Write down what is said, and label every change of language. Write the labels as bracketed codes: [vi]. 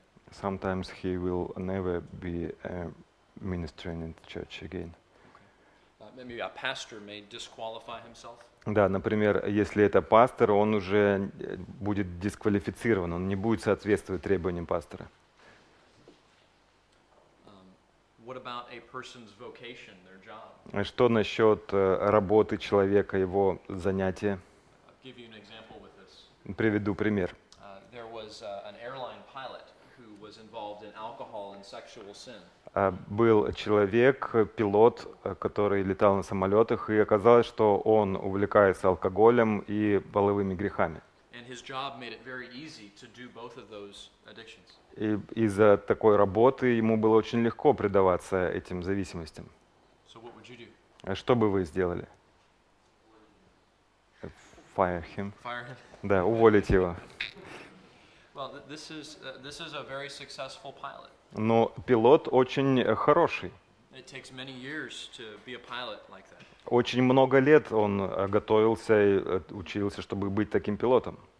[en] Sometimes he will never be ministering in the church again. Maybe a pastor may disqualify himself. [ru] Да, например, если это пастор, он уже будет дисквалифицирован, он не будет соответствовать требованиям пастора. [en] What about a person's vocation, their job? [ru] Что насчет работы человека, его занятия? [en] I'll give you an example with this. [ru] Приведу пример. [en] There was an airline pilot who was involved in alcohol and sexual sin. [ru] Был человек, пилот, который летал на самолетах, и оказалось, что он увлекается алкоголем и половыми грехами. [en] And his job made it very easy to do both of those addictions. [ru] И из-за такой работы ему было очень легко предаваться этим зависимостям. [en] So what would you do? [ru] Что бы вы сделали? [en] Fire him. Fire him. [ru] Да, уволить его. [en] Well, this is a very successful pilot. [ru] Но пилот очень хороший. [en] It takes many years to be a pilot like that. [ru] Очень много лет он готовился и учился, чтобы быть таким пилотом.